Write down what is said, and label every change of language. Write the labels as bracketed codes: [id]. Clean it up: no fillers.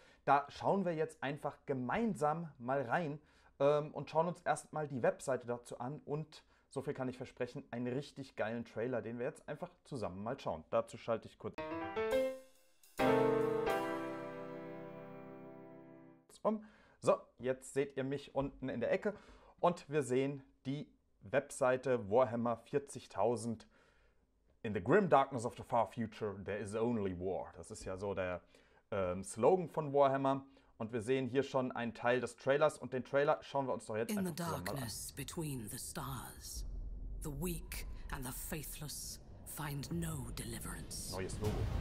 [de] Da schauen wir jetzt einfach gemeinsam mal rein. Und schauen uns erstmal die Webseite dazu an und so viel kann ich versprechen, einen richtig geilen Trailer, den wir jetzt einfach zusammen mal schauen. Dazu schalte ich kurz um. So, jetzt seht ihr mich unten in der Ecke und wir sehen die Webseite Warhammer 40.000. [en] In the grim darkness of the far future, there is only war. [de] Das ist ja so der Slogan von Warhammer. Und wir sehen hier schon einen Teil des Trailers und den Trailer schauen wir uns doch jetzt einfach zusammen mal an. [en] In the darkness between the stars, the weak and the faithless find no deliverance. [de] Neues Logo.